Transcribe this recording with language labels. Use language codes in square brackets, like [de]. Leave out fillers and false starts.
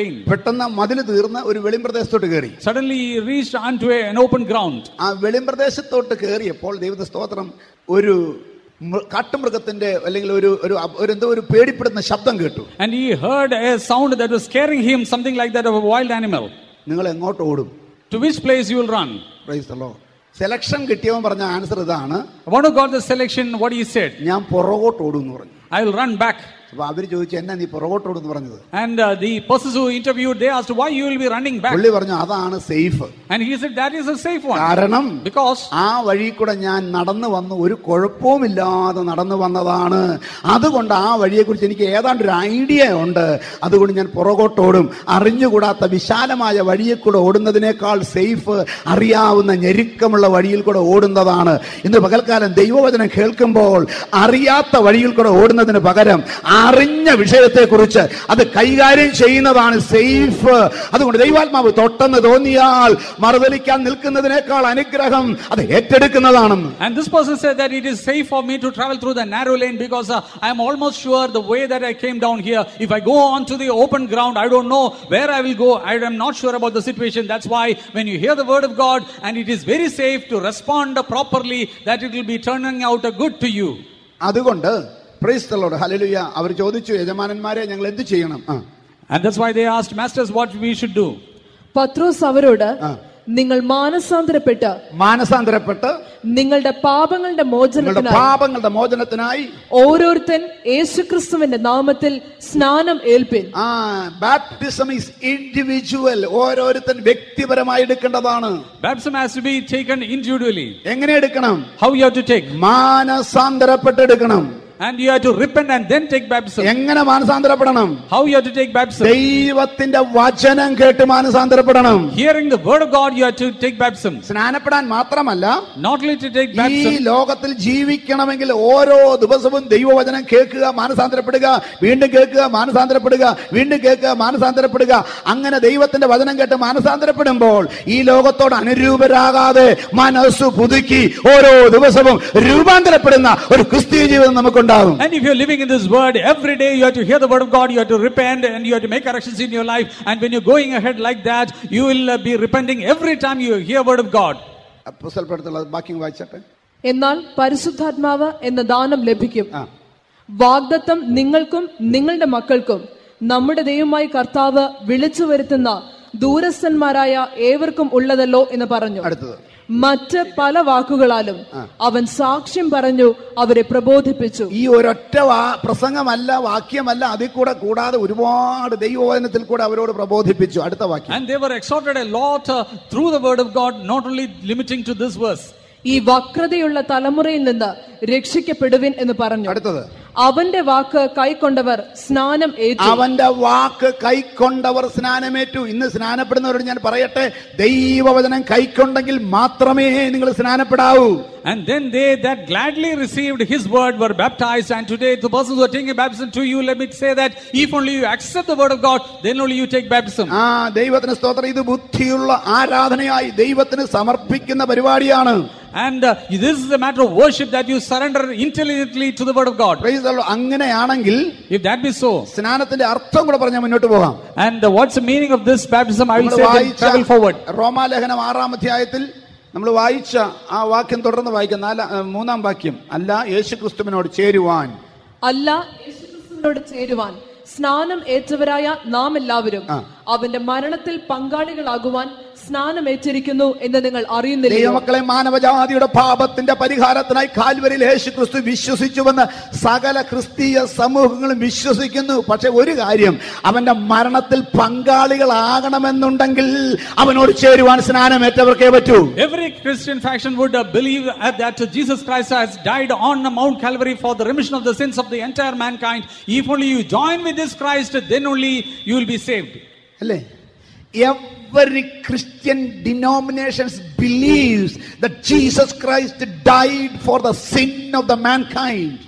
[ml] പെട്ടെന്ന് മതില് തീർന്ന് ഒരു വെളിമ്പ്രദേശത്തോട്ട് കയറി. [en] Suddenly he reached onto a open ground. [ml] ആ വെളിമ്പ്രദേശത്തോട്ട് കയറിയപ്പോൾ ദൈവത്തിന്റെ സ്തോത്രം, ഒരു കാട്ടുമൃഗത്തിന്റെ അല്ലെങ്കിൽ ഒരു ഒരു എന്തോ ഒരു പേടിപ്പെടുന്ന ശബ്ദം കേട്ടു. [en] And he heard a sound that was scaring him, something like that of a wild animal. [ml] നിങ്ങൾ എങ്ങോട്ട് ഓടും? [en] To which place you will run? Praise the Lord. [ml] Selection കിട്ടിയവൻ പറഞ്ഞ ആൻസർ ഇതാണ്. [en] What got the selection? What he said? [ml] ഞാൻ പുറകോട്ട് ഓടും എന്ന് പറഞ്ഞു. [en] I will run back. [ml] അവര് ചോദിച്ചു, എന്നാ നീ പുറകോട്ട് ഓടും എന്ന് പറഞ്ഞത്? [en] And the persons who interviewed, they asked, why you will be running back? [ml] പുള്ളി പറഞ്ഞു, അതാണ് safe. [en] And he said, that is a safe one. [ml] കാരണം, [en] because [ml] ആ വഴി കൂടെ ഞാൻ നടന്നു വന്ന് ഒരു കുഴപ്പവും ഇല്ലാതെ നടന്നു വന്നതാണ്. അതുകൊണ്ട് ആ വഴിയെ കുറിച്ച് എനിക്ക് ഏതാണ്ട് ഒരു ഐഡിയ ഉണ്ട്. അതുകൊണ്ട് ഞാൻ പുറകോട്ടോടും. അറിഞ്ഞുകൂടാത്ത വിശാലമായ വഴിയെ കൂടെ ഓടുന്നതിനേക്കാൾ സേഫ് അറിയാവുന്ന ഞെരുക്കമുള്ള വഴിയിൽ കൂടെ ഓടുന്നതാണ്. ഇന്ന് പകൽക്കാലം ദൈവവചനം കേൾക്കുമ്പോൾ അറിയാത്ത വഴിയിൽ കൂടെ ഓടുന്നതിന് പകരം ആ അറിഞ്ഞ വിഷയത്തെ കുറിച്ച് അത് കൈകാര്യം ചെയ്യുന്നതാണ് സേഫ്. അതുകൊണ്ട് ദൈവാത്മാവ് തൊട്ടെന്ന് തോന്നിയാൽ മറുതലിക്കാൻ നിൽക്കുന്നതിനേക്കാൾ അനുഗ്രഹം അത് ഏറ്റെടുക്കുന്നതാണെന്ന്. [en] And this person said that it is safe for me to travel through the narrow lane because I am almost sure the way that I came down here, if I go on to the open ground, I don't know where I will go. I am not sure about the situation. That's why when you hear the word of God and it is very safe to respond properly, that it will be turning out a good to you. [ml] അതുകൊണ്ട് [en] Praise the Lord, hallelujah. [ml] അവർ ചോദിച്ചു, യജമാനന്മാരെ ഞങ്ങൾ എന്ത് ചെയ്യണം? [en] And that's why they asked, masters, what we should do. [ml] പത്രോസ് അവരോട്, നിങ്ങൾ മാനസാന്തരപ്പെട്ട് മാനസാന്തരപ്പെട്ട് നിങ്ങളുടെ പാപങ്ങളുടെ മോചനത്തിനായി പാപങ്ങളുടെ മോചനത്തിനായി ഓരോരുത്തൻ യേശുക്രിസ്തുവിന്റെ നാമത്തിൽ സ്നാനം ഏൽപ്പിൻ. [en] baptism is individual, [ml] ഓരോരുത്തൻ വ്യക്തിപരമായി എടുക്കേണ്ടതാണ്. [en] Baptism has to be taken individually. [ml] എങ്ങനെ എടുക്കണം? [en] How you have to take? [ml] മാനസാന്തരപ്പെട്ട് എടുക്കണം. [en] And you have to repent and then take baptism. [ml] എങ്ങനെ മാനസാന്തരപ്പെടണം? [en] How you have to take baptism? [ml] ദൈവത്തിന്റെ വചനം കേട്ട് മാനസാന്തരപ്പെടണം. [en] Hearing the word of God, you have to take baptism. [ml] സ്നാനപ്പെടാൻ മാത്രമല്ല, [en] not only to take baptism, [ml] ഈ ലോകത്തിൽ ജീവിക്കണമെങ്കിൽ ഓരോ ദിവസവും ദൈവവചനം കേൾക്കുക, മാനസാന്തരപ്പെടുക, വീണ്ടും കേൾക്കുക, മാനസാന്തരപ്പെടുക, വീണ്ടും കേൾക്കുക, മാനസാന്തരപ്പെടുക. അങ്ങനെ ദൈവത്തിന്റെ വചനം കേട്ട് മാനസാന്തരപ്പെടുമ്പോൾ ഈ ലോകത്തോട് അനുരൂപരാകാതെ മനസ്സ് പുതുക്കി ഓരോ ദിവസവും രൂപാന്തരപ്പെടുന്ന ഒരു ക്രിസ്തീയ ജീവിതം നമുക്ക്. [en] And if you're living in this world, every day you have to hear the word of God, you have to repent, and you have to make corrections in your life. And when you're going ahead like that, you will be repenting every time you hear the word of God. Apostle Paul's backing watch it. [ml] എന്നാൽ പരിശുദ്ധാത്മാവ് എന്ന ദാനം ലഭിക്കും. വാഗ്ദത്തം നിങ്ങൾക്കും നിങ്ങളുടെ മക്കൾക്കും നമ്മുടെ ദൈവമായ കർത്താവ് വിളിച്ചു വരുത്തുന്ന ദൂരസ്ഥന്മാരായ ഏവർക്കും ഉള്ളതല്ലോ എന്ന് പറഞ്ഞു. അടുത്തത്, മറ്റ് പല വാക്കുകളാലും അവൻ സാക്ഷ്യം പറഞ്ഞു അവരെ പ്രബോധിപ്പിച്ചു. ഈ ഒരൊറ്റ പ്രസംഗമല്ല, വാക്യമല്ല, അതിൽ കൂടെ കൂടാതെ ഒരുപാട് ദൈവവചനത്തിൽ കൂടെ അവരോട് പ്രബോധിപ്പിച്ചു. അടുത്ത വാക്യം, [en] And they were exhorted a lot through the word of God, not only limiting to this verse. [ml] ഈ വക്രതയുള്ള തലമുറയിൽ നിന്ന് രക്ഷിക്കപ്പെടുവിൻ എന്ന് പറഞ്ഞു. അടുത്തത്, അവന്റെ വാക്ക് കൈക്കൊണ്ടവർ സ്നാനം ഏറ്റു. അവന്റെ വാക്ക് കൈക്കൊണ്ടവർ സ്നാനമേറ്റു. ഇന്ന് സ്നാനപ്പെടുന്നവരോട് ഞാൻ പറയട്ടെ, ദൈവവചനം കൈക്കൊണ്ടെങ്കിൽ മാത്രമേ നിങ്ങൾ സ്നാനപ്പെടാവൂ. [en] And then they that gladly received his word were baptized. And today the persons who are taking baptism to you, let me say that if only you accept the word of God, then only you take baptism. [ml] ദൈവത്തിന് സ്തോത്രം. ഇത് ബുദ്ധിയുള്ള ആരാധനയായി ദൈവത്തിന് സമർപ്പിക്കുന്ന പരിപാടിയാണ്. [en] And this is a matter of worship that you surrender intelligently to the word of God. Praise the Lord. [ml] അങ്ങനെയാണെങ്കിൽ, [en] if that be so, [ml] സ്നാനത്തിന്റെ അർത്ഥം കൂടെ പറഞ്ഞു മുന്നോട്ട് പോകാം. [en] And what's the meaning of this baptism? I will say it, travel forward. [ml] റോമാ ലേഖനം 6-ാം അധ്യായത്തിൽ നമ്മൾ വായിച്ച ആ വാക്യം തുടർന്ന് വായിക്കാം. 3-ാം വാക്യം, അല്ല യേശുക്രിസ്തുവിനോട് ചേരുവാൻ. അല്ല യേശുക്രിസ്തുവിനോട് ചേരുവാൻ സ്നാനം ഏറ്റവരായ നാം എല്ലാവരും അവന്റെ മരണത്തിൽ പങ്കാളികളാകുവാൻ സ്നാനം ഏറ്റിരിക്കുന്നു എന്ന് നിങ്ങൾ അറിയുന്നില്ല. ദൈവമക്കളെ, മാനവജാതിയുടെ പാപത്തിന്റെ പരിഹാരത്തിനായി കാൽവരിയിൽ യേശുക്രിസ്തു വിശ്വസിച്ചുവെന്ന് സകല ക്രിസ്തീയ സമൂഹങ്ങളും വിശ്വസിക്കുന്നു. പക്ഷെ ഒരു കാര്യം, അവന്റെ മരണത്തിൽ പങ്കാളികളാകണമെന്നുണ്ടെങ്കിൽ അവനോട് ചേരുവാൻ സ്നാനമേറ്റവർക്കേ പറ്റൂ. [en] Every Christian faction would believe that Jesus Christ has died on the mount Calvary for the remission of the sins of the entire mankind. If only you join with this Christ, then only you will be saved. [ml] അല്ലേ? [en] Every Christian denominations believes that Jesus Christ died for the sin of the mankind.